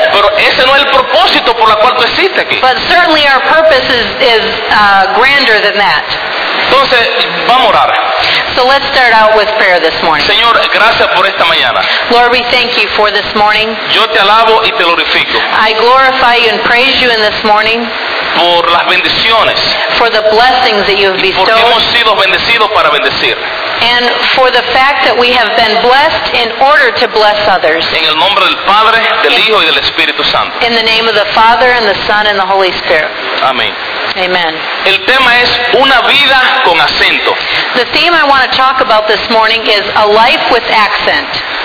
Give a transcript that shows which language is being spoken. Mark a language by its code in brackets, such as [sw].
[es] Pero ese no es el propósito por la cual tú existes aquí. [en] But certainly our purpose is grander than that. [es] Entonces, vamos a orar. [en] So let's start out with prayer this morning. [es] Señor, gracias por esta mañana. [en] Lord, we thank you for this morning. [es] Yo te alabo y te glorifico. [en] I glorify you and praise you in this morning. [es] Por las bendiciones. [en] For the blessings that you have bestowed. [es] Y porque hemos sido bendecidos para bendecir. [en] And for the fact that we have been blessed in order to bless others. [es] En el nombre del Padre, del Hijo y del Espíritu Santo. [en] In the name of the Father and the Son and the Holy Spirit. [es] Amén. [en] Amen. [es] El tema es una vida con acento. [en] The theme I want to talk about this morning is a life with accent.